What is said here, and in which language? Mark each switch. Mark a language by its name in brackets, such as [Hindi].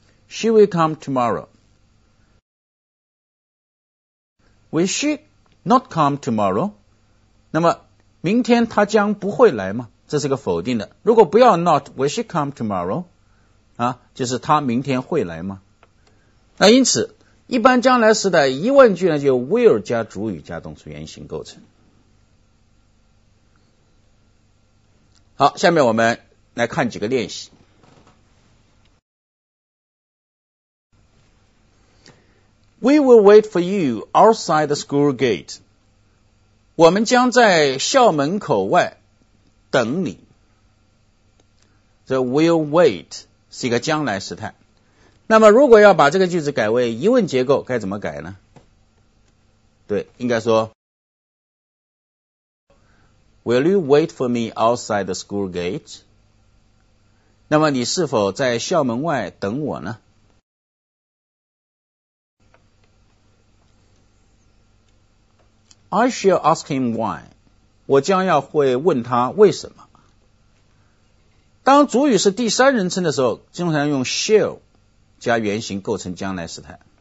[English] She will come tomorrow， Will she not come tomorrow？ [Chinese] 那么明天他将不会来吗？这是个否定的。如果不要 not， [English] will she come tomorrow？ [Chinese] 啊，就是他明天会来吗？那因此一般将来时的疑问句呢，就 will 加主语加动词原形构成。好，下面我们来看几个练习。 [English] We will wait for you outside the school gate， [Chinese] 我们将在校门口外等你。 [English] The will wait [Chinese] 是一个将来时态。那么如果要把这个句子改为疑问结构该怎么改呢？对，应该说 [English] Will you wait for me outside the school gate？ [Chinese] 那么你是否在校门外等我呢？ [English] I shall ask him why. [Chinese] 我将要会问他为什么。当主语是第三人称的时候，经常用 shall 加原形构成将来时态。